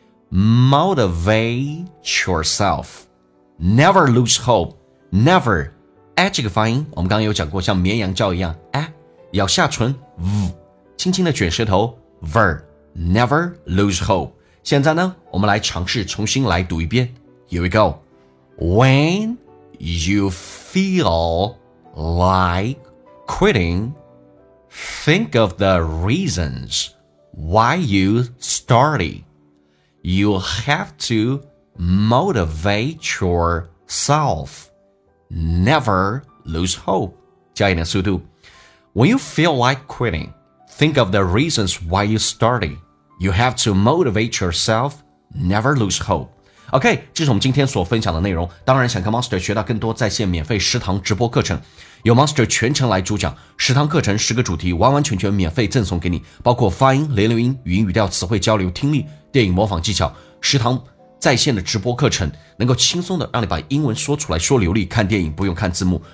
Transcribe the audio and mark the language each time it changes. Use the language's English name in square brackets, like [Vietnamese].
[English] motivate yourself， never lose hope， [Chinese] never哎，这个发音我们刚刚有讲过，像绵羊叫一样，哎，咬下唇 v， 轻轻的卷舌头 ver， [English] never lose hope。 [Chinese] 现在呢，我们来尝试重新来读一遍。 [English] Here we go. When you feel like quitting, think of the reasons why you started. You have to motivate yourselfNever lose hope. [Chinese] 加一点速度。 [English] When you feel like quitting, think of the reasons why you started. You have to motivate yourself, Never lose hope. [Chinese] OK, 这是我们今天所分享的内容。当然想跟 Monster 学到更多在线免费食堂直播课程，有 Monster 全程来主讲，食堂课程十个主题完完全全免费赠送给你，包括发音、连流音、语音语调、词汇交流、听力、电影模仿技巧，食堂在线的直播课程能够轻松的让你把英文说出来，说流利，看电影不用看字幕。